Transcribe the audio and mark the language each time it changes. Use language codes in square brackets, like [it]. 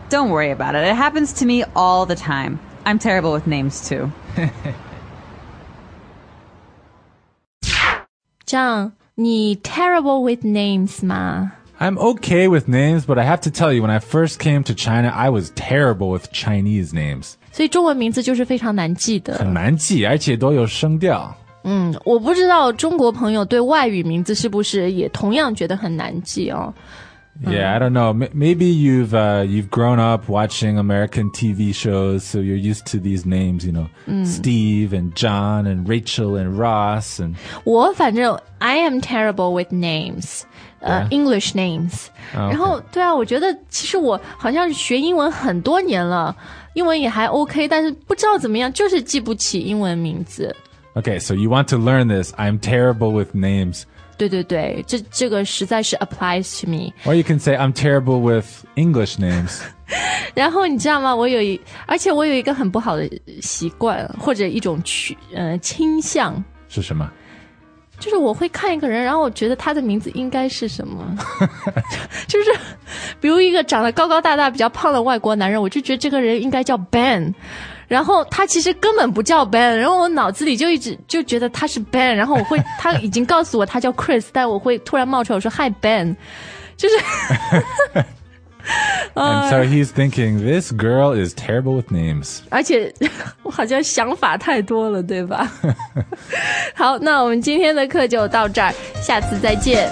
[en] Don't worry about it. It happens to me all the time. I'm terrible with names, too. John, [zh] 你 [en] terrible with names 吗? I'm okay with names, but I have to tell you, when I first came to China, I was terrible with Chinese names. [zh] 所以中文名字就是非常难记的。很难记，而且都有声调。我不知道中国朋友对外语名字是不是也同样觉得很难记哦。 [en] Yeah, I don't know. Maybe you've grown up watching American TV shows, so you're used to these names, you know, Steve and John and Rachel and Ross. And [zh] 我反正 [en] I am terrible with names, English names. Okay. [zh] 然后对啊，我觉得其实我好像是学英文很多年了，英文也还 OK， 但是不知道怎么样，就是记不起英文名字。 [en] Okay, so you want to learn this. I'm terrible with names. [zh] 对对对，这个实在是 [en] applies to me. Or you can say I'm terrible with English names. [zh] 然后你知道吗？而且我有一个很不好的习惯，或者一种倾向是什么？就是我会看一个人，然后我觉得他的名字应该是什么？就是比如一个长得高高大大、比较胖的外国男人，我就觉得这个人应该叫 Ben。然后他其实根本不叫 Ben， 然后我脑子里就一直就觉得他是 Ben， 然后他已经告诉我他叫 Chris， 但我会突然冒出来我说 Hi Ben， 就是。 [en] And so he's thinking this girl is terrible with names. [zh] 而且我好像想法太多了，对吧？好，那我们今天的课就到这儿，下次再见。